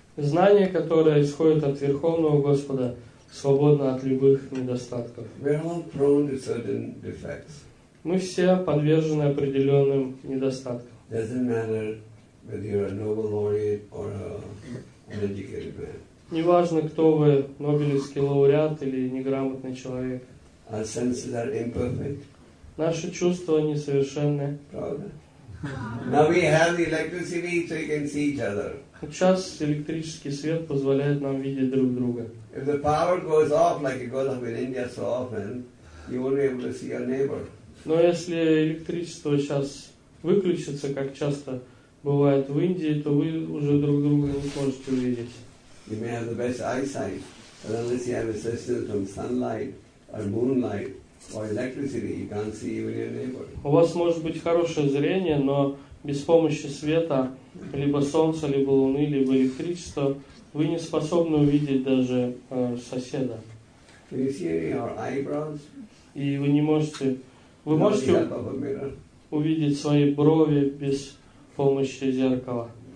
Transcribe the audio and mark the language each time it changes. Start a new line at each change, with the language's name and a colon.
Russian: Знание, которое исходит от Верховного Господа, свободно от любых недостатков.
English: We are all prone to certain defects.
Russian: Мы все подвержены определенным недостаткам.
English: Doesn't matter whether you're a Nobel laureate or an educated man.
Russian: Неважно, кто вы, Нобелевский лауреат или неграмотный человек.
English: Our senses are imperfect.
Russian: Наши чувства несовершенны. Правда?
English: Now we have the electricity, so you can see each other.
Russian: Сейчас электрический свет позволяет нам видеть друг друга.
English: If the power goes off, like it goes off in India so often, you won't be able to see your neighbor.
Russian: Но если электричество сейчас выключится, как часто бывает в Индии, то вы уже друг друга не сможете увидеть.
English: You may have the best eyesight, but unless you have assistance from sunlight or moonlight or electricity, you can't see even your neighbor.
Russian: У вас может быть хорошее зрение, но без помощи света, либо солнца, либо луны, либо электричества, вы не способны увидеть даже соседа.
English: Can you see any of our eyebrows?
Russian: И вы не можете... Вы можете увидеть свои брови без помощи зеркала.